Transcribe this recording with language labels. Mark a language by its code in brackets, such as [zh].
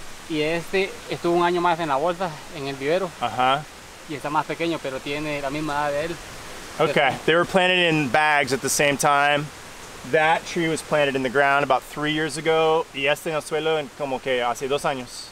[es] Y este estuvo un año más en la bolsa, en el vivero. Ajá. Uh-huh. Y está más pequeño, pero tiene la misma edad de él. Okay. [en] They were planted in bags at the same time. That tree was planted in the ground about 3 years ago. [es] Y este en el suelo en como que hace dos años.